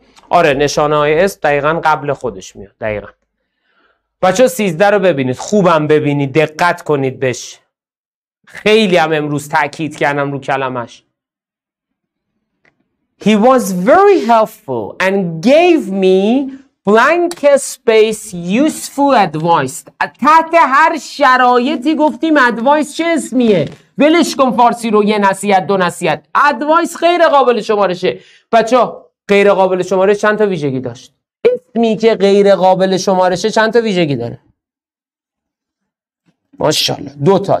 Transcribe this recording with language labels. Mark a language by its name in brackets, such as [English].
[Persian] آره نشانه های اس دقیقا قبل خودش میاد. دقیقا بچه 13 رو ببینید، خوبم ببینید، دقت کنید بهش. خیلی هم امروز تأکید کردم رو کلمش. [English] He was very helpful and gave me blank space useful advice. [Persian] تحت هر شرایطی گفتیم advice چه اسمیه؟ ولش کن فارسی رو، یه نصیحت دو نصیحت. Advice غیر قابل شمارشه. بچه غیر قابل شمارش چند تا ویژگی داشت؟ اسمی که غیر قابل شمارشه چند تا ویژگی داره؟ ماشاءالله دو تا.